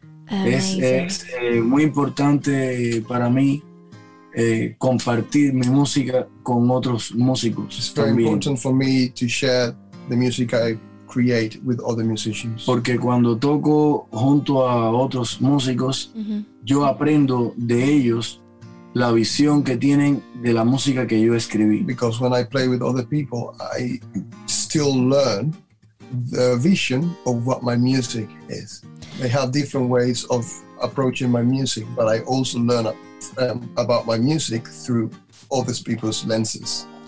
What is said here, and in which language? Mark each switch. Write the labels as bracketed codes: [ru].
[es] Es muy importante para mí compartir mi música con otros músicos. [en] It's very important for me to share the music I create with other musicians. [es] Porque cuando toco junto a otros músicos, yo aprendo de ellos la visión que tienen de la música que yo escribí. [en] Because when I play with other people, I still learn the vision of what my music is. They have different ways of approaching my music, but I also learn about my music through other people's lenses.